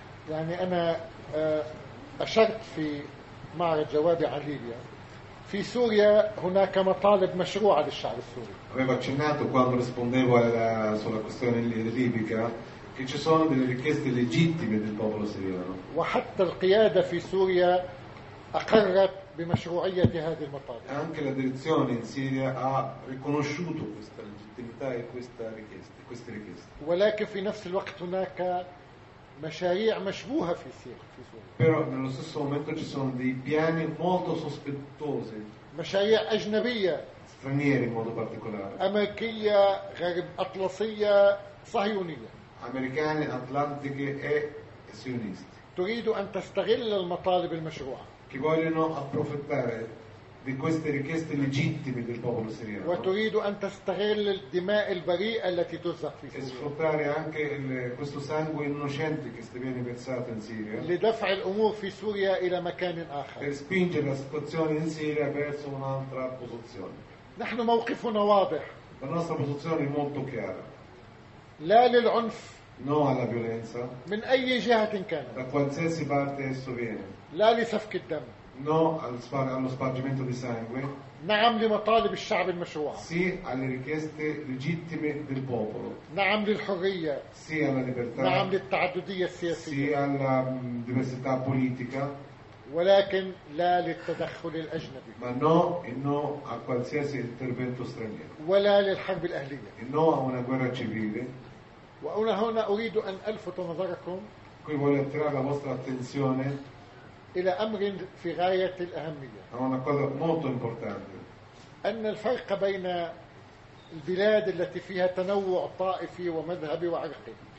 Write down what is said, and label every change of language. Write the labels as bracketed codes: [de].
[ar] يعني أنا أشرت في معرض جوابي عن ليبيا. في سوريا هناك مطالب مشروعة للشعب السوري. [it] Avevo accennato quando rispondevo sulla questione libica che ci sono delle richieste legittime del popolo siriano. [ar] وحتى القيادة في سوريا أقرت بمشروعية هذه المطالب. [it] Anche la direzione in Siria ha riconosciuto questa legittimità e queste richieste. [ar] ولكن في نفس الوقت هناك مشاريع مشبوهة في سوريا. [it] Però nello stesso momento ci sono dei piani molto sospettosi. [ar] مشاريع أجنبية. [it] Stranieri in modo particolare. [ar] أمريكية غرب أطلسية صهيونية. [it] Americane, atlantiche e sionisti. [ar] تريد أن تستغل المطالب المشروعة. [it] Che vogliono approfittare di queste richieste legittime del popolo siriano. [ar] وتريد أن تستغل الدماء البريئة التي تزرع في سوريا. [it] E sfruttare anche questo sangue innocente che sta viene versato in Siria. [ar] لدفع الأمور في سوريا إلى مكان آخر. [it] Per spingere la situazione in Siria verso un'altra posizione. [ar] نحن موقفنا واضح. [it] La nostra posizione è molto chiara. [ar] لا للعنف. [it] No alla violenza. [ar] من أي جهة كان. [it] Da qualsiasi parte esso viene. [ar] لا لسفك الدم. [it] No allo spargimento di sangue. [ar] نعم لمطالب الشعب المشروع. [it] Sì alle richieste legittime del popolo. [ar] نعم للحرية. [it] Sì alla libertà. [ar] نعم للتعددية السياسية. [it] Sì alla diversità politica. [ar] ولكن لا للتدخل الأجنبي. [it] Ma no e no a qualsiasi intervento straniero. [ar] ولا للحرب الأهلية. [it] E no a una guerra civile. [ar] وأنا هنا أريد أن ألفت نظركم. [it] Qui voglio attirare la vostra attenzione. [ar] إلى أمر في غاية الأهمية. [it] Una cosa molto importante. [ar] أن الفرق بين البلاد التي فيها تنوع طائفي ومذهبي وعرقي.